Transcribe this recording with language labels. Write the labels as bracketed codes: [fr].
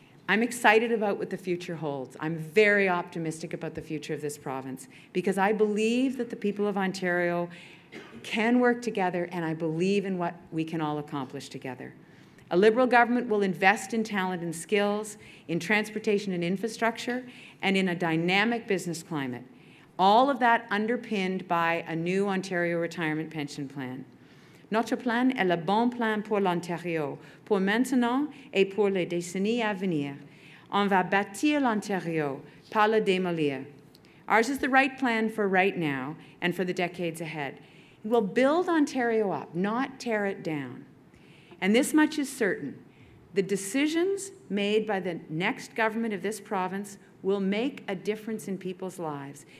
[en] I'm excited about what the future holds. I'm very optimistic about the future of this province because I believe that the people of Ontario can work together and I believe in what we can all accomplish together. A Liberal government will invest in talent and skills, in transportation and infrastructure, and in a dynamic business climate. All of that underpinned by a new Ontario retirement pension plan. [fr] Notre plan est le bon plan pour l'Ontario, pour maintenant et pour les décennies à venir. On va bâtir l'Ontario, pas le démolir. [en] Ours is the right plan for right now and for the decades ahead. We'll build Ontario up, not tear it down. And this much is certain. The decisions made by the next government of this province will make a difference in people's lives.